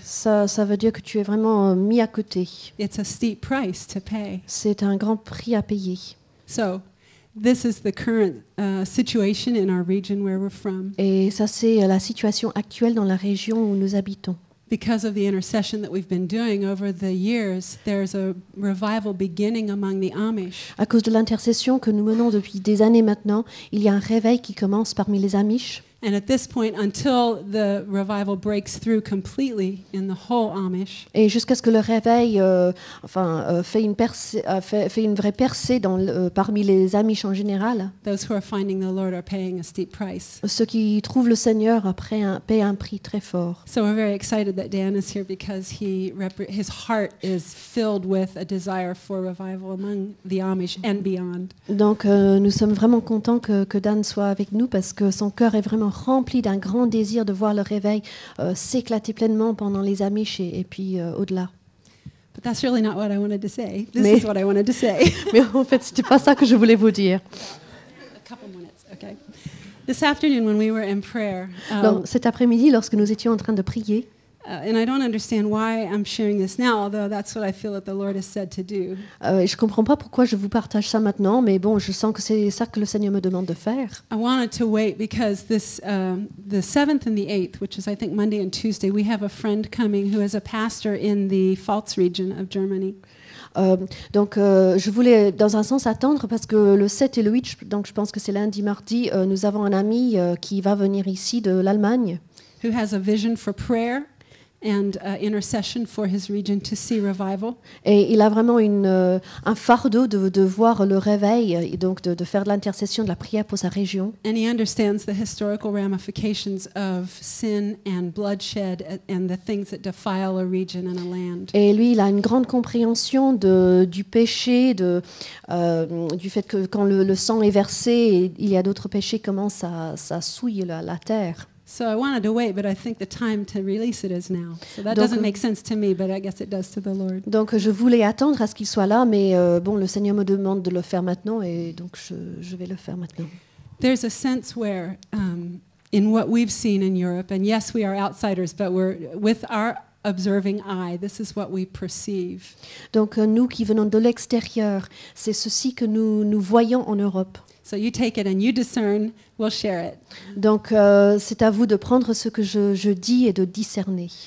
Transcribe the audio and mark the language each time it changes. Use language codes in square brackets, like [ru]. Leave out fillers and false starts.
[fr] Ça veut dire que tu es vraiment mis à côté. [en] It's a steep price to pay. [fr] C'est un grand prix à payer. [en] So, this is the current situation in our region where we're from. [fr] Et ça c'est la situation actuelle dans la région où nous habitons. [en] Because of the intercession that we've been doing over the years, there's a revival beginning among the Amish. [fr] À cause de l'intercession que nous menons depuis des années maintenant, il y a un réveil qui commence parmi les Amish. [en] And at this point, until the revival breaks through completely in the whole Amish. [fr] Et jusqu'à ce que le réveil, fait une vraie percée parmi les Amish en général. [en] Those who are finding the Lord are paying a steep price. [fr] Ceux qui trouvent le Seigneur paient un prix très fort. [en] So we're very excited that Dan is here because his heart is filled with a desire for revival among the Amish and beyond. [fr] Donc nous sommes vraiment contents que Dan soit avec nous parce que son cœur est vraiment rempli d'un grand désir de voir le réveil s'éclater pleinement pendant les Amish et puis au-delà. [en] But that's really not what I wanted to say. This is what I wanted to say. [fr] Mais en fait, c'était pas ça que je voulais vous dire. [en] A couple minutes, okay. This afternoon when we were in prayer. [fr] Donc cet après-midi lorsque nous étions en train de prier. [en] And I don't understand why I'm sharing this now, although that's what I feel that the Lord has said to do. [fr] Je comprends pas pourquoi je vous partage ça maintenant, mais bon, je sens que c'est ça que le Seigneur me demande de faire. [en] I wanted to wait because this, the 7th and the 8th, which is I think Monday and Tuesday, we have a friend coming who is a pastor in the Pfalz region of Germany. [fr] Je voulais dans un sens attendre parce que le 7 et le 8, donc je pense que c'est lundi, mardi, nous avons un ami qui va venir ici de l'Allemagne. [en] Who has a vision for prayer. And intercession for his region to see revival. [fr] Et il a vraiment un fardeau de voir le réveil, et donc de faire de l'intercession, de la prière pour sa région. [en] And he understands the historical ramifications of sin and bloodshed and the things that defile a region and a land. [fr] Et lui, il a une grande compréhension du péché, du fait que quand le sang est versé, il y a d'autres péchés, comment ça souille la terre. [en] So I wanted to wait, but I think the time to release it is now. So that doesn't make sense to me, but I guess it does to the Lord. [fr] Donc je voulais attendre à ce qu'il soit là, mais bon, le Seigneur me demande de le faire maintenant, et donc je vais le faire maintenant. [en] There's a sense where, in what we've seen in Europe, and yes, we are outsiders, but we're with our observing eye. This is what we perceive. [fr] Donc nous qui venons de l'extérieur, c'est ceci que nous voyons en Europe. [en] So you take it and you discern. We'll share it. [fr] Donc c'est à vous de prendre ce que je dis et de discerner.